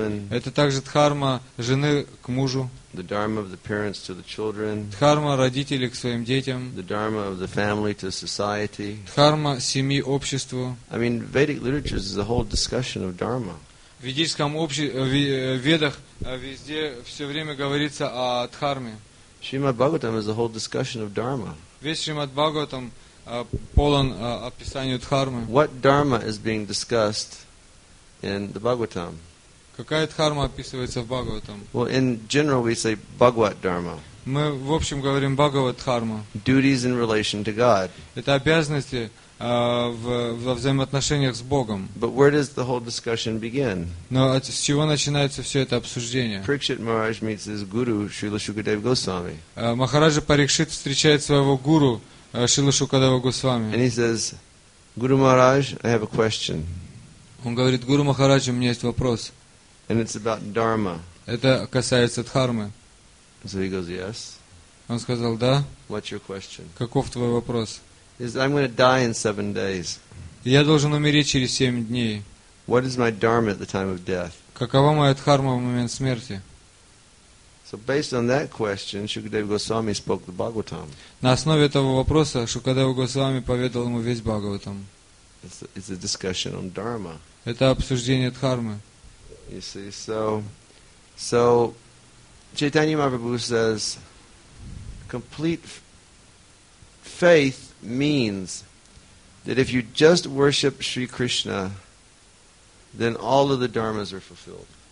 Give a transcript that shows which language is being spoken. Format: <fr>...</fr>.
<ru>Это также дхарма жены к мужу.</ru> <en>The dharma of the parents to the children.</en> <ru>Дхарма родителей к своим детям.</ru> <en>The dharma of the family to society.</en> <ru>Дхарма семьи обществу.</ru> <en>I mean, Vedic literature is a whole discussion of dharma.</en> <ru>в ведическом ведах везде все время говорится о дхарме.</ru> <en>Shrimad Bhagavatam is a whole discussion of dharma.</en> <ru>Весь Shrimad Bhagavatam полон описанию дхармы.</ru> <en>What dharma is being discussed in the Bhagavatam?</en> <ru>Какая дхарма описывается в Бхагаватам?</ru> <en>Well, in general we say Bhagavat dharma.</en> <ru>Мы в общем говорим Бхагават дхарма.</ru> <en>Duties in relation to God.</en> <ru>Это обязанности во взаимоотношениях с Богом.</ru> <en>But where does the whole discussion begin?</en> <ru>Но с чего начинается все это обсуждение?</ru> <en>Parikshit Maharaj meets his guru Srila Shukadeva Goswami.</en> <ru>Махараджа Парикшит встречает своего гуру Шрилу Шукадева Госвами.</ru> <en>And he says, Guru Maharaj, I have a question.</en> <ru>Он говорит: Гуру Махараджа, у меня есть вопрос.</ru> <en>And it's about dharma.</en> <ru>Это касается дхармы.</ru> <en>So he goes, yes.</en> <ru>Он сказал: да.</ru> <en>What's your question?</en> <ru>Каков твой вопрос?</ru> <en>Is I'm going to die in 7 days.</en> <ru>Я должен умереть через 7 дней.</ru> <en>What is my dharma at the time of death?</en> <ru>Какова моя дхарма в момент смерти?</ru> <en>So based on that question, Shukadeva Goswami spoke the Bhagavatam.</en> <ru>На основе этого вопроса Шукадева Госвами поведал ему весь Бхагаватам.</ru> <en>It's a discussion on dharma.</en> <ru>Это обсуждение дхармы.</ru> <en>You see, so Chaitanya Mahaprabhu says, complete faith means that if you just worship Sri Krishna, then all of the dharmas are fulfilled.</en>